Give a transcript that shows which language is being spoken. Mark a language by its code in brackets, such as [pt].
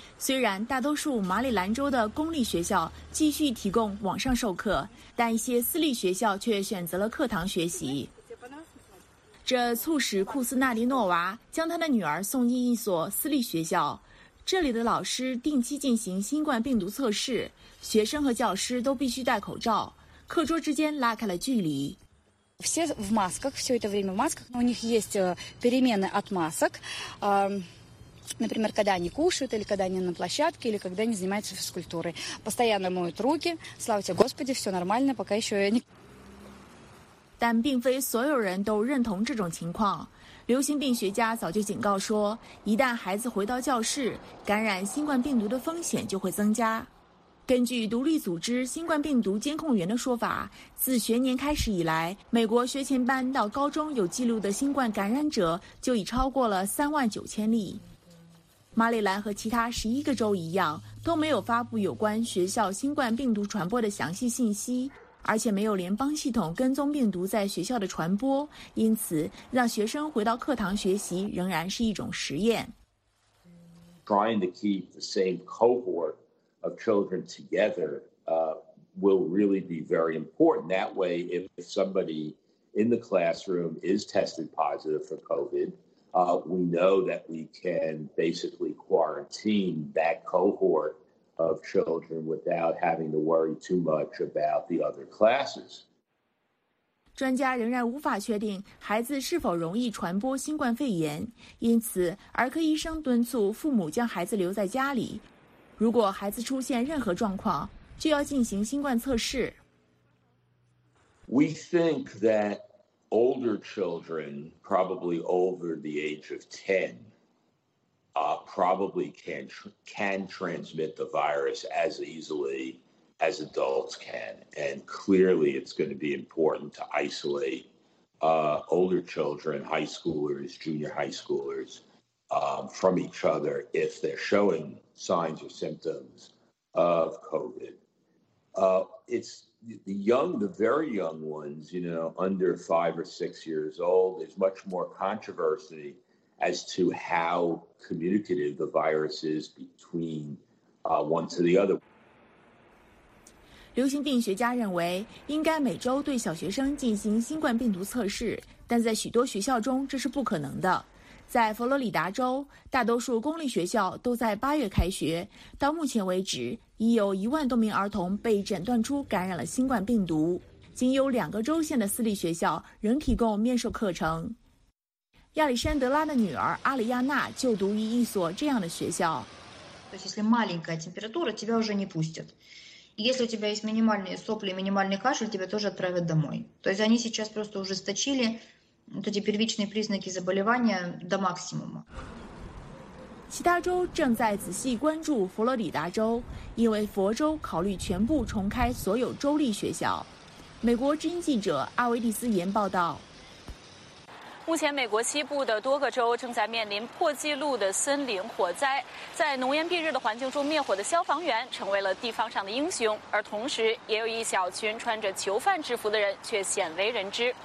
[zh] 虽然大多数马里兰州的公立学校继续提供网上授课，但一些私立学校却选择了课堂学习。这促使库斯纳迪诺娃将他的女儿送进一所私立学校，这里的老师定期进行新冠病毒测试，学生和教师都必须戴口罩，课桌之间拉开了距离。 [ru] Все в масках, все это время в масках. У них есть перемены от масок, например, когда они кушают или когда они на площадке или когда они занимаются физкультурой. Постоянно моют руки. Слава тебе, Господи, все нормально, пока еще не... [zh] 但并非所有人都认同这种情况。流行病学家早就警告说，一旦孩子回到教室，感染新冠病毒的风险就会增加。根据独立组织新冠病毒监控员的说法，自学年开始以来，美国学前班到高中有记录的新冠感染者就已超过了39000例。马里兰和其他11个州一样，都没有发布有关学校新冠病毒传播的详细信息，而且没有联邦系统跟踪病毒在学校的传播，因此让学生回到课堂学习仍然是一种实验。 [en] Trying to keep the same cohort of children together, will really be very important. That way, if somebody in the classroom is tested positive for COVID, we know that we can basically quarantine that cohort. Of children without having to worry too much about the other classes. [zh] 专家仍然无法确定孩子是否容易传播新冠肺炎，因此儿科医生敦促父母将孩子留在家里。如果孩子出现任何状况，就要进行新冠测试。 [en] We think that older children, probably over the age of 10,probably can transmit the virus as easily as adults can. And clearly it's going to be important to isolate older children, high schoolers, junior high schoolers, from each other if they're showing signs or symptoms of COVID. It's the young, the very young ones, you know, under 5 or 6 years old, there's much more controversy. As to how communicative the virus is between one to the other. [zh] 流行病学家认为，应该每周对小学生进行新冠病毒测试，但在许多学校中这是不可能的。在佛罗里达州，大多数公立学校都在8月开学，到目前为止，已有10000多名儿童被诊断出感染了新冠病毒。仅有2个州县的私立学校仍提供面授课程。亚历山德拉的女儿阿里亚娜就读于一所这样的学校。 [ru] То есть если маленькая температура, тебя уже не пустят. Если у тебя есть минимальные сопли, минимальный кашель, тебя тоже отправят домой. То есть они сейчас просто ужесточили вот эти первичные признаки заболевания до максимума. [zh] 其他州正在仔细关注佛罗里达州，因为佛州考虑全部重开所有州立学校。美国之音记者阿维蒂斯言报道。目前美国西部的多个州正在面临破纪录的森林火灾，在浓烟蔽日的环境中灭火的消防员成为了地方上的英雄，而同时也有一小群穿着囚犯制服的人却鲜为人知。